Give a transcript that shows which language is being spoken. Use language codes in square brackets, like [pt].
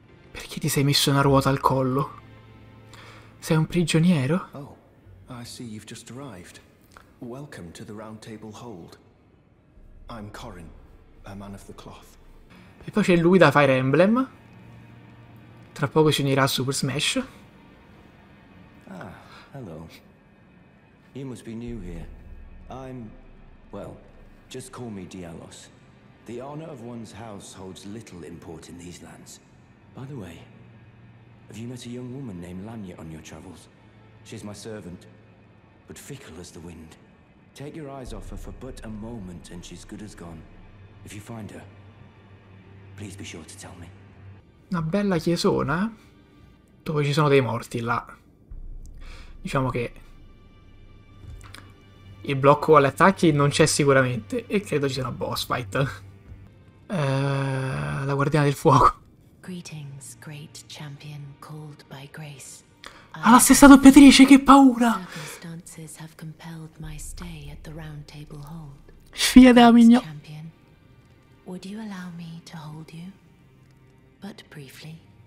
[it] Perché ti sei messo una ruota al collo? Sei un prigioniero? [en] Oh, I see you've just arrived. Welcome to the Round Table Hold. I'm Corrin, a man of the cloth. [it] E poi c'è lui da Fire Emblem. Tra poco ci unirà a Super Smash. [en] Ah, hello. You must be new here. I'm... well, just call me Dialos. The honor of one's house holds little import in these lands. By the way, have you met a young woman named Lanya on your travels? She's my servant, but fickle as the wind. Take your eyes off her for but a moment and she's good as gone. If you find her, please be sure to tell me. [it] Una bella chiesona, dove ci sono dei morti là. Diciamo che... il blocco agli attacchi non c'è sicuramente. E credo ci sia una boss fight. La guardiana del fuoco. [en] Greetings, great champion called by grace. [it] Ha la stessa doppiatrice, che paura! Circumstances have compelled my stay at the round table hold. Figlia della mignon. Champion, would you allow me to hold you? But briefly,